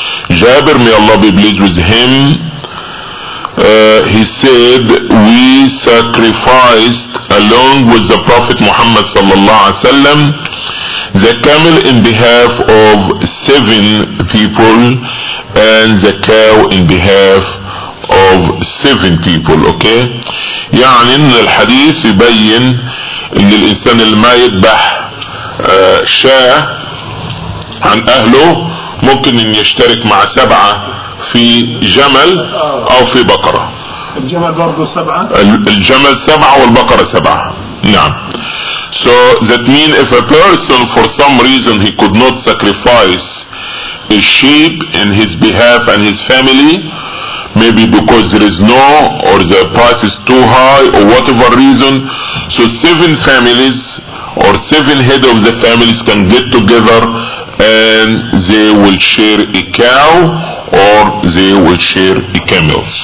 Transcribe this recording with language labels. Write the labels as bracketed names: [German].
[English] جابر may Allah be pleased with him, he said we sacrificed along with the Prophet Muhammad sallallahu alaihi wasallam the camel in behalf of seven people and the cow in behalf of seven people. [Arabic] Okay, يعني إن الحديث يبين ان الانسان اللي ما يذبح شاه عن اهله ممكن ان يشترك مع سبعة في جمل او في بقرة. الجمل برضو سبعة؟ الجمل سبعة والبقرة سبعة. نعم. [English] So that mean if a person for some reason he could not sacrifice a sheep in his behalf and his family, maybe because there is no or the price is too high or whatever reason, so seven families or seven head of the families can get together and they will share a cow or they will share a camel.